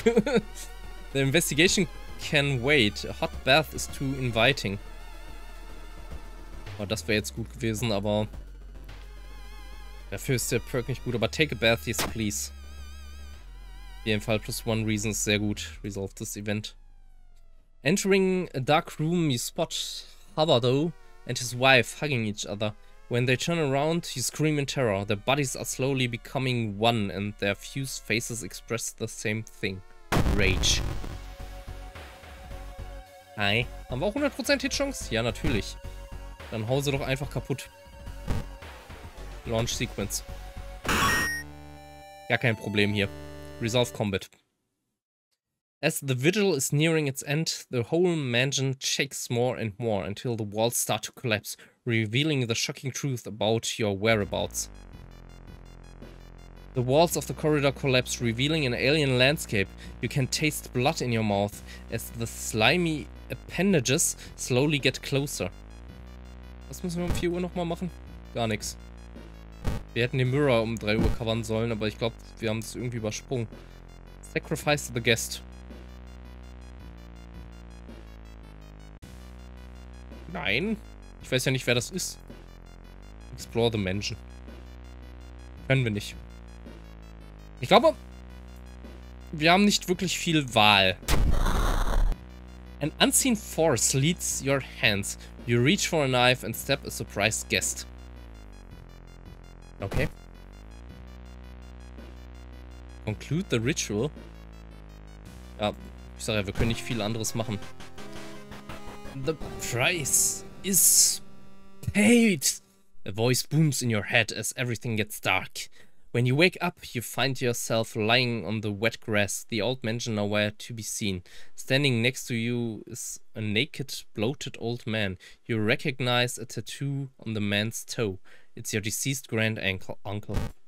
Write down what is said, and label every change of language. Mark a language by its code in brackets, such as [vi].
[en] The investigation can wait. A hot bath is too inviting. [de] Oh, das wäre jetzt gut gewesen, aber... Dafür ist der Perk nicht gut, aber [en] take a bath, yes, please. [de] Auf jeden Fall [en] plus one reason [de] ist sehr gut. [en] Resolve this event. Entering a dark room, you spot Havado and his wife hugging each other. When they turn around, you scream in terror. Their bodies are slowly becoming one and their fused faces express the same thing. Rage. Hi. [de] Haben wir auch 100% Hitchance? Ja, natürlich. Dann hau sie doch einfach kaputt. Launch Sequence. Gar kein Problem hier. Resolve Combat. [en] As the vigil is nearing its end, the whole mansion shakes more and more until the walls start to collapse, revealing the shocking truth about your whereabouts. The walls of the corridor collapse, revealing an alien landscape. You can taste blood in your mouth as the slimy appendages slowly get closer. [de] Was müssen wir um 4 Uhr nochmal machen? Gar nichts. Wir hätten den Mirror um 3 Uhr covern sollen, aber ich glaube, wir haben es irgendwie übersprungen. [en] Sacrifice the guest. [de] Nein. Ich weiß ja nicht, wer das ist. [en] Explore the mansion. [de] Können wir nicht. Ich glaube, wir haben nicht wirklich viel Wahl. [en] An unseen force leads your hands. You reach for a knife and stab a surprised guest. Okay. Conclude the ritual. [de] Ja, ich sage ja, wir können nicht viel anderes machen. [en] The price is paid. A voice booms in your head as everything gets dark. When you wake up, you find yourself lying on the wet grass, the old mansion nowhere to be seen. Standing next to you is a naked, bloated old man. You recognize a tattoo on the man's toe. It's your deceased grand-uncle.